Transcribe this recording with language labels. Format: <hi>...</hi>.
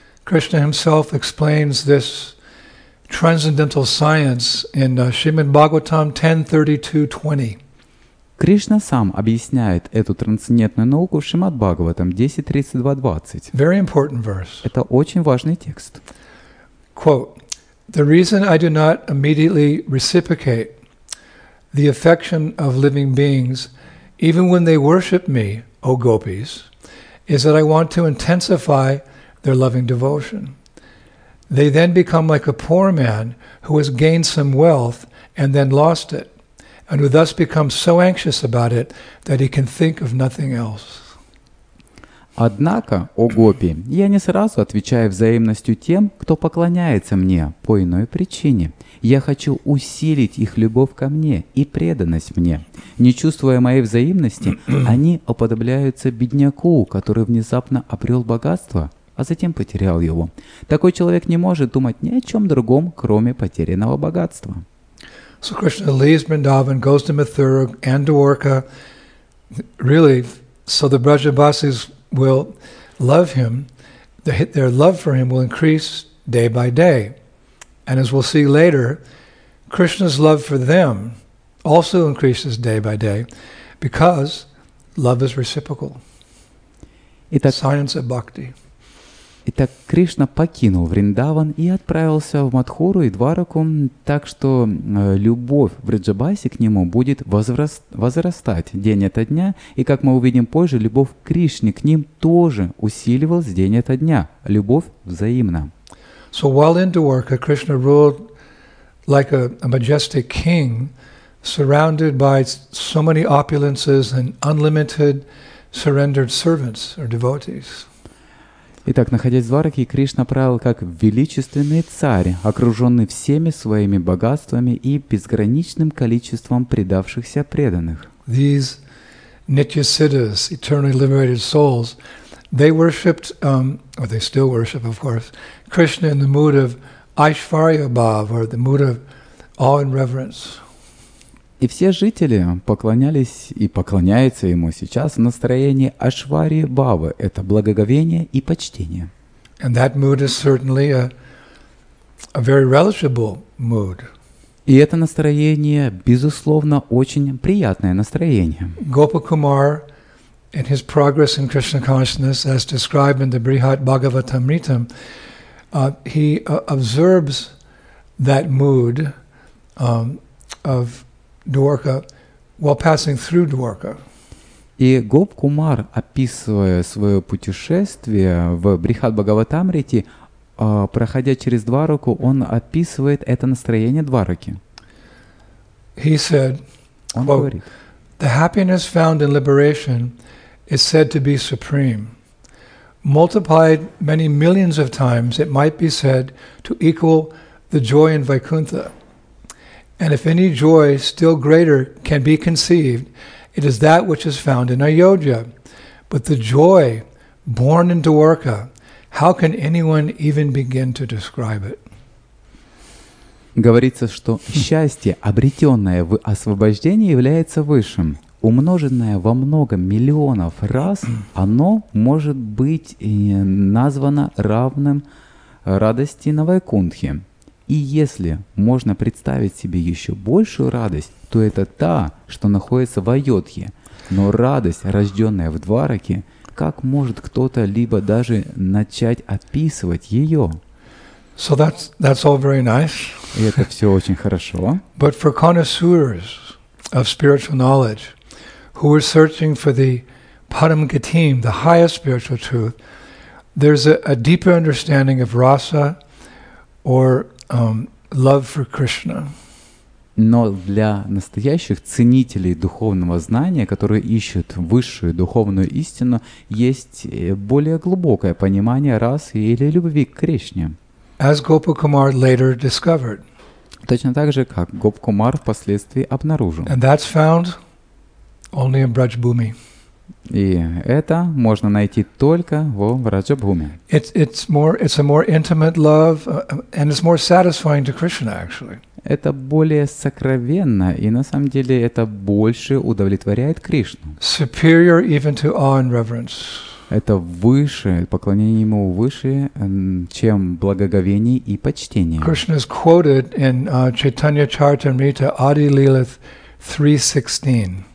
<en>Krishna himself explains this transcendental science in Shrimad Bhagavatam 10.32.20.</en> <ru>Кришна сам объясняет эту трансцендентную науку в Шримад Бхагаватам 10.32.20.</ru> <en>Very important verse.</en> <ru>Это очень важный текст.</ru> <en>Quote, the reason I do not immediately reciprocate the affection of living beings, even when they worship me, O gopis, is that I want to intensify their loving devotion. They then become like a poor man who has gained some wealth and then lost it, and who thus becomes so anxious about it that he can think of nothing else.</en> <ru>Однако, о гопи, я не сразу отвечаю взаимностью тем, кто поклоняется мне по иной причине. Я хочу усилить их любовь ко мне и преданность мне. Не чувствуя моей взаимности, они уподобляются бедняку, который внезапно обрел богатство, а затем потерял его. Такой человек не может думать ни о чем другом, кроме потерянного богатства.</ru> <en>So Krishna leaves Vrindavan, goes to Mathura and Dwarka, really, so the Brajabasis will love him, their love for him will increase day by day. And as we'll see later, Krishna's love for them also increases day by day, because love is reciprocal.</en> <ru>Итак,</ru> <en>science of bhakti.</en> <ru>Итак, Кришна покинул Вриндаван и отправился в Матхуру и Двараку, так что любовь в Вриджабасе к нему будет возрастать день ото дня, и, как мы увидим позже, любовь к Кришне к ним тоже усиливалась день ото дня. Любовь взаимна.</ru> <en>So while in Dwarka, Krishna ruled like a majestic king, surrounded by so many opulences and unlimited surrendered servants or devotees.</en> <ru>Итак, находясь в Двараке, Кришна правил как величественный царь, окруженный всеми своими богатствами и безграничным количеством предавшихся преданных.</ru> <en>These nitya siddhas, eternally liberated souls, they worshipped, or they still worship, of course, Krishna in the mood of Aishvarya Bhav, or the mood of awe and reverence.</en> <ru>И все жители поклонялись и поклоняются ему сейчас в настроении Ашварии Бавы. Это благоговение и почтение.</ru> <en>And that mood is certainly a very relishable mood.</en> <ru>И это настроение, безусловно, очень приятное настроение.</ru> <en>Gopa Kumar and his progress in Krishna consciousness, as described in the Brihat Bhagavatamritam, he observes that mood of Dwarka while passing through Dwarka.</en> <ru>И Гоп Кумар, описывая свое путешествие в Брихат Бхагаватамрите, проходя через Двараку, он описывает это настроение Двараки.</ru> <en>He said,</en> <ru>он говорит,</ru> <en>"The happiness found in liberation is said to be supreme. Multiplied many millions of times, it might be said to equal the joy in Vaikuntha. And if any joy still greater can be conceived, it is that which is found in Ayodhya. But the joy born in Dwarka, how can anyone even begin to describe it?"</en> <ru>Говорится, что счастье, обретенное в освобождении, является высшим. Умноженное во много миллионов раз, оно может быть названо равным радости на Вайкунтхе. И если можно представить себе еще большую радость, то это та, что находится в Айодхе. Но радость, рожденная в Двараке, как может кто-то либо даже начать описывать ее?</ru> <en>So that's all very nice.</en> <ru>И это все очень хорошо.</ru> <en>But for connoisseurs of spiritual knowledge, who were searching for the Param Gatim, the highest spiritual truth, there's a deeper understanding of rasa or love for Krishna.</en> <ru>Но для настоящих ценителей духовного знания, которые ищут высшую духовную истину, есть более глубокое понимание расы или любви к Кришне.</ru> <en>As Gopa Kumar later discovered.</en> <ru>Точно так же, как Гоп Кумар впоследствии обнаружил.</ru> <en>And that's found only in Брадж-бхуми.</en> <ru>И это можно найти только во Враджа-бхуме.</ru> <en>It's a more intimate love, and it's more satisfying to Krishna, actually.</en> <ru>Это более сокровенно, и на самом деле это больше удовлетворяет Кришну.</ru> <en>Superior even to awe and reverence.</en> <ru>Это выше, поклонение ему выше, чем благоговение и почтение.</ru> <en>Krishna is quoted in Chaitanya Charitamrita Adi Lila 3.16.</en>